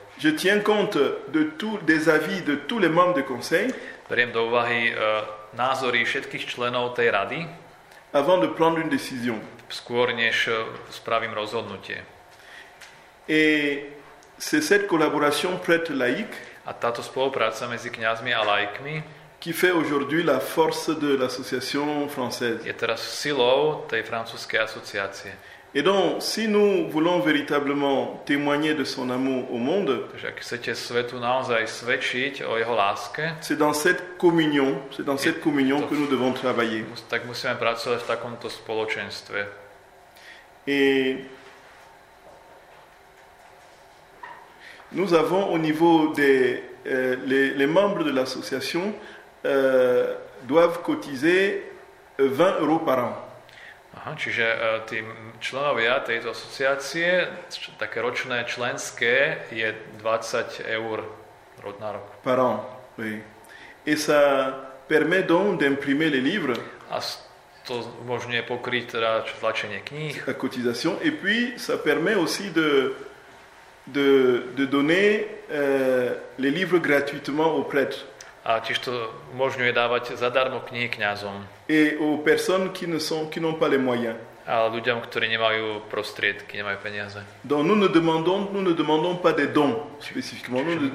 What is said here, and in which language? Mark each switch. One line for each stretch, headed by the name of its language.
French: Je tiens compte des avis de tous les membres du conseil.
Slovak: Beriem do úvahy názory všetkých členov tej rady.
French: Avant de prendre une décision.
Slovak: Skôr než spravím rozhodnutie.
French: C'est cette collaboration prêtre laïque.
Slovak: A táto spolupráca medzi kňazmi a laikmi.
French: Qui fait aujourd'hui la force de l'association française.
Slovak: Je teraz silou tej francúzskej asociácie.
French: Et donc, si nous voulons véritablement témoigner de son amour au monde,
Slovak: takže ak chcete svetu naozaj svedčiť o jeho láske,
French: c'est dans cette communion, que nous devons travailler.
Slovak: Tak musíme pracovať v takomto spoločenstve.
French: Nous avons au niveau des les membres de l'association doivent cotiser 20 euros par an.
Slovak: Aha, čiže tí členovia tejto asociácie, také ročné členské je 20 eur rodná roku.
French: Pardon, oui. Et ça permet donc d'imprimer les livres.
Slovak: A to umožňuje pokryť teda tlačenie kníh.
French: La cotisation. Et puis, ça permet aussi de donner les livres gratuitement aux prêtres.
Slovak: A tiež to umožňuje dávať zadarmo knihy kňazom.
French: Et aux personnes qui n'ont pas les moyens.
Slovak: A ľuďom, ktorí nemajú prostriedky, nemajú peniaze.
French: Donc nous ne demandons pas des dons spécifiquement.